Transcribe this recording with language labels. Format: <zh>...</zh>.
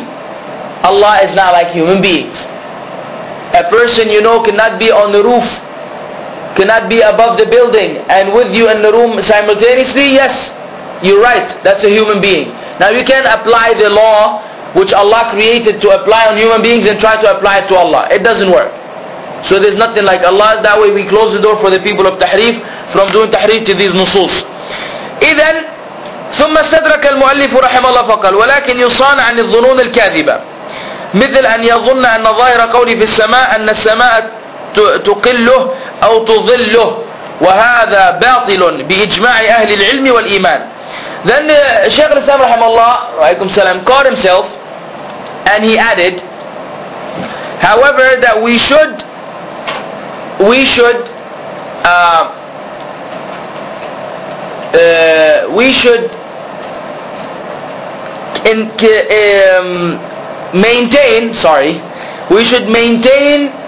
<en>Allah is not like human beings. A person, you know, cannot be on the roof, cannot be above the building and with you in the room simultaneously. Yes, you're right, that's a human being. Now you can apply the law which Allah created to apply on human beings and try to apply it to Allah. It doesn't work. So there's nothing like Allah. That way we close the door for the people of Tahrif from doing Tahrif to these nusus.</en> <ar>إذن ثم استدرك المؤلف رحمه الله فقال ولكن يصان عن الظنون الكاذبة مثل أن يظن أن ظاهر قولي في السماء أن السماء تقله أو تظله وهذا باطل بإجماع أهل العلم والإيمان.</ar> <en>Then Shaykh al-Islam rahimahullah alaykum salam caught himself and he added, however, that we should maintain</en>